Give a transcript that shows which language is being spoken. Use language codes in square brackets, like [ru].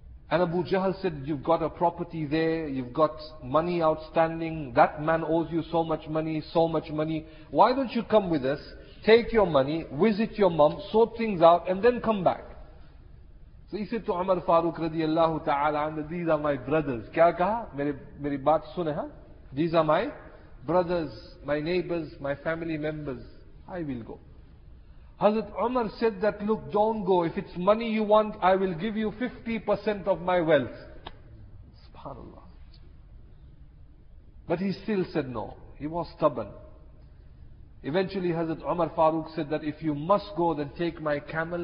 [en] And Abu Jahl said, "You've got a property there. You've got money outstanding. That man owes you so much money, so much money. Why don't you come with us, take your money, visit your mom, sort things out, and then come back?" So he said to Umar Farooq radiallahu ta'ala, "These are my brothers." [ur] کیا کہا? میری بات سنے ہا? [en] "These are my brothers, my neighbors, my family members. I will go." Hazrat Umar said that, "Look, don't go. If it's money you want, I will give you 50% of my wealth." SubhanAllah. But he still said no. He was stubborn. Eventually Hazrat Umar Farooq said that, "If you must go, then take my camel.